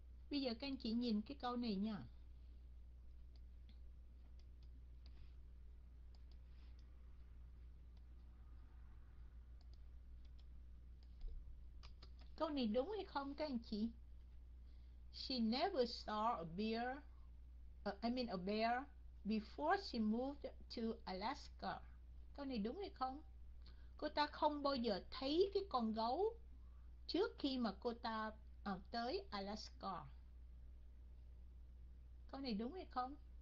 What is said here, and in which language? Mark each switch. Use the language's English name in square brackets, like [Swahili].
[Vietnamese] Bây giờ các anh chị nhìn cái câu này nha. Câu này đúng hay không các anh chị? [English] She never saw a bear before she moved to Alaska. [Vietnamese] Câu này đúng hay không? Cô ta không bao giờ thấy cái con gấu trước khi mà cô ta tới Alaska. Câu này đúng hay không?